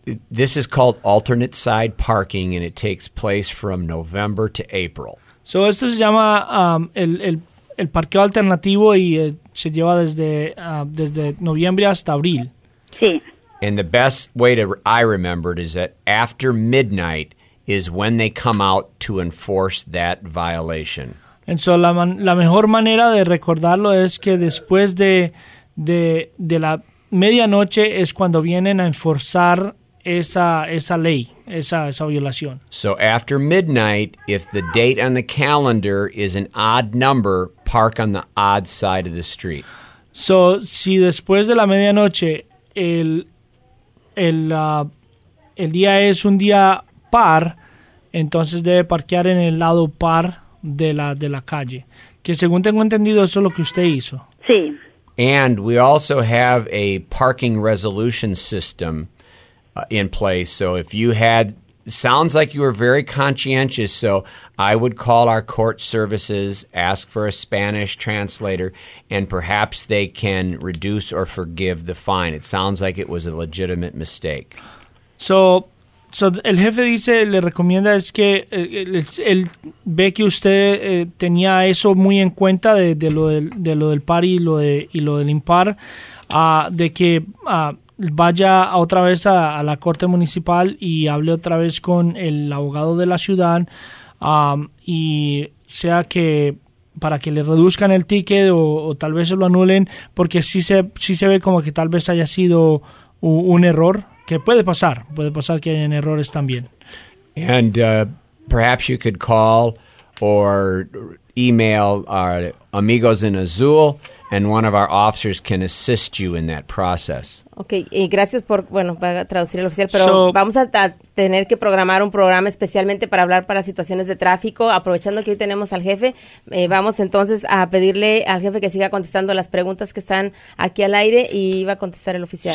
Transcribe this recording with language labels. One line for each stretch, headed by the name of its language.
English: This is called alternate side parking, and it takes place from November to April.
Spanish: So esto se llama el parqueo alternativo y se lleva desde noviembre hasta abril. Sí.
English: And the best way I remembered is that after midnight is when they come out to enforce that violation.
Spanish: And so la mejor manera de recordarlo es que después de la medianoche es cuando vienen a enforzar esa ley, esa violación.
English: So after midnight, if the date on the calendar is an odd number, park on the odd side of the street.
Spanish: So si después de la medianoche el día es un día par, entonces debe parquear en el lado par de la calle, que según tengo entendido eso es lo que usted hizo. Sí.
English: And we also have a parking resolution system in place. So if you had, sounds like you were very conscientious, so I would call our court services, ask for a Spanish translator, and perhaps they can reduce or forgive the fine. It sounds like it was a legitimate mistake.
Spanish: So el jefe dice, le recomienda es que él ve que usted tenía eso muy en cuenta de lo del par y lo del impar, de que vaya otra vez a la corte municipal y hable otra vez con el abogado de la ciudad, y sea que para que le reduzcan el ticket o tal vez se lo anulen, porque sí se ve como que tal vez haya sido un error. Que puede pasar que hayan errores también.
English: And perhaps you could call or email our Amigos en Azul, and one of our officers can assist you in that process.
Spanish: Okay, y gracias por, bueno, para traducir el oficial, pero vamos a tener que programar un programa especialmente para hablar para situaciones de tráfico, aprovechando que hoy tenemos al jefe. Vamos entonces a pedirle al jefe que siga contestando las preguntas que están aquí al aire y va a contestar el oficial.